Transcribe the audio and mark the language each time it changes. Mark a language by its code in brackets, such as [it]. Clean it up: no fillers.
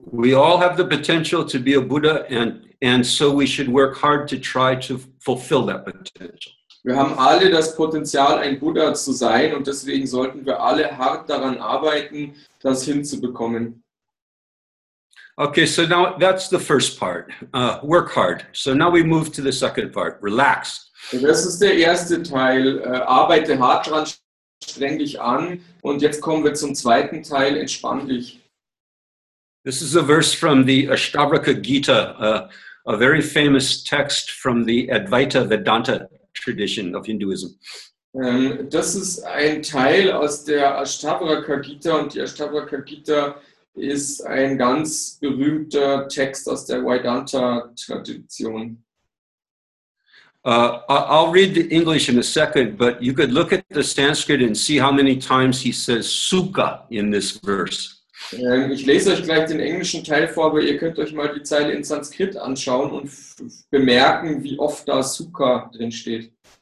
[en] We all have the potential to be a Buddha and so we should work hard to try to fulfill that potential. [de] Wir haben alle das Potenzial, ein Buddha zu sein und deswegen sollten wir alle hart daran arbeiten, das hinzubekommen. [en] Okay, so now that's the first part. Work hard. So now we move to the second part. Relax. [de] Das ist der erste Teil. Arbeite hart dran, streng dich an. Und jetzt kommen wir zum zweiten Teil. Entspann dich. [en] This is a verse from the Ashtavaka Gita, a very famous text from the Advaita Vedanta tradition of Hinduism. [de] Das ist ein Teil aus der Ashtavaka Gita und die Ashtavaka Gita ist ein ganz berühmter Text aus der Vedanta-Tradition. [en] I'll read the English in a second, but you could look at the Sanskrit and see how many times he says Sukha in this verse. [de] Ich lese euch gleich den englischen Teil vor, aber ihr könnt euch mal die Zeile in Sanskrit anschauen und bemerken, wie oft da Sukha drin steht.